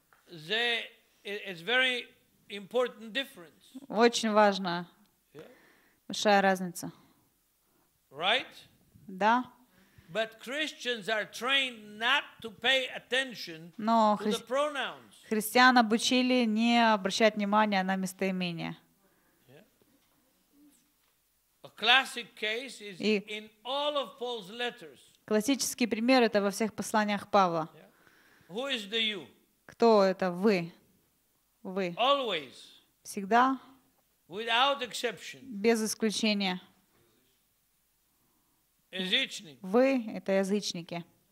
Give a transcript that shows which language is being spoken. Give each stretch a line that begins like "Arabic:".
English: The it's very important difference.
Russian: Очень важна. Большая разница.
English: Right?
Russian: Да.
English: But Christians are trained not to pay attention to the pronouns.
Russian: Христиан обучили не обращать внимания на местоимения.
English: Classic case is in all of Paul's letters.
Russian: Классический пример это во всех посланиях Павла.
English: Yeah. Who is the you?
Russian: Кто это вы? Вы.
English: Always.
Russian: Всегда.
English: Without exception.
Russian: Без исключения. Язычник. Вы это язычники.